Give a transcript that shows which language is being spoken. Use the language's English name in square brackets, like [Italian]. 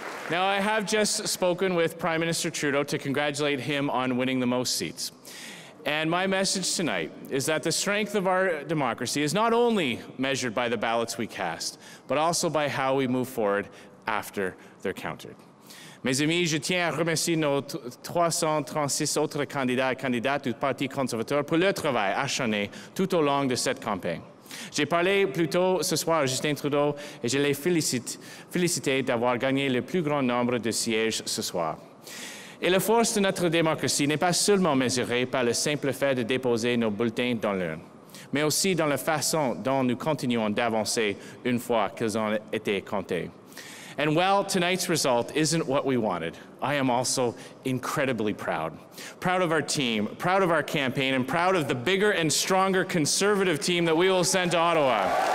[English] Now, I have just spoken with Prime Minister Trudeau to congratulate him on winning the most seats. And my message tonight is that the strength of our democracy is not only measured by the ballots we cast, but also by how we move forward after they're counted. [French] Mes amis, je tiens à remercier nos 336 autres candidats et candidates du Parti conservateur pour leur travail acharné tout au long de cette campagne. J'ai parlé plus tôt ce soir à Justin Trudeau et je les félicite d'avoir gagné le plus grand nombre de sièges ce soir. Et la force de notre démocratie n'est pas seulement mesurée par le simple fait de déposer nos bulletins dans l'urne, mais aussi dans la façon dont nous continuons d'avancer une fois qu'ils ont été comptés. [English] And while tonight's result isn't what we wanted, I am also incredibly proud. Proud of our team, proud of our campaign, and proud of the bigger and stronger Conservative team that we will send to Ottawa.